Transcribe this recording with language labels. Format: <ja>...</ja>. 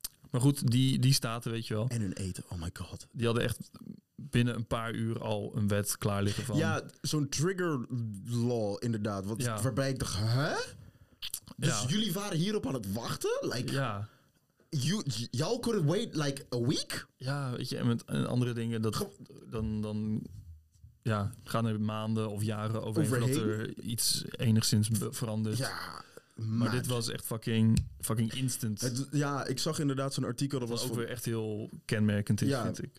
<nl>Maar goed, die staten, weet je wel. En hun eten,</nl> <en>oh my god.</en> <nl>Die hadden echt binnen een paar uur al een wet klaar liggen van. Ja, zo'n trigger law inderdaad. Wat, ja. Waarbij ik dacht, hè? Dus ja. Jullie waren hierop aan het wachten?</nl> <en>Like,</en> <nl>ja.</nl> <en>Y'all couldn't wait like a week?</en> <nl>Ja, weet je, en met andere dingen. Dan gaan er maanden of jaren overheen. Dat er iets enigszins verandert. Ja. Maar dit was echt fucking instant. Ik zag inderdaad zo'n artikel. Dat was ook weer echt heel kenmerkend, vind ik.</nl>